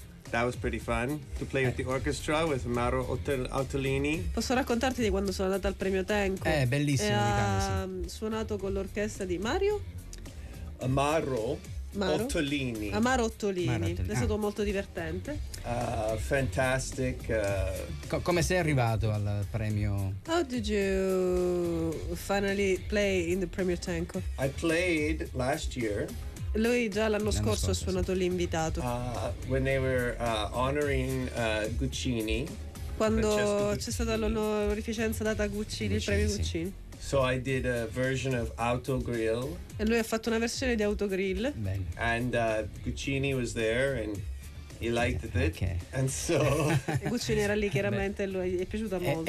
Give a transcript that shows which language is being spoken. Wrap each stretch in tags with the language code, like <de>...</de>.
<en>That was pretty fun to play with the orchestra with Mauro Ottolini.</en> <it>Posso raccontarti di quando sono andata al Premio Tenco? Bellissimo. Ha suonato con l'orchestra di Amaro Ottolini. È stato molto divertente.</it> <en>Fantastic.</en> <it>Come sei arrivato al premio?</it> <en>How did you finally play in the Premio Tenco? I played last year.</en> <it>Lui già l'anno scorso ha suonato l'invitato.</it> <en>When they were honoring Guccini.</en> <it>Quando Francesco c'è stata l'onorificenza data a Guccini, il premio Guccini. Sì.</it> <en>So I did a version of Autogrill.</en> <it>E lui ha fatto una versione di Autogrill.</it> <en>And Guccini was there and he liked it. Okay. And so</en> <it>Guccini era lì chiaramente e lui è piaciuta molto.</it>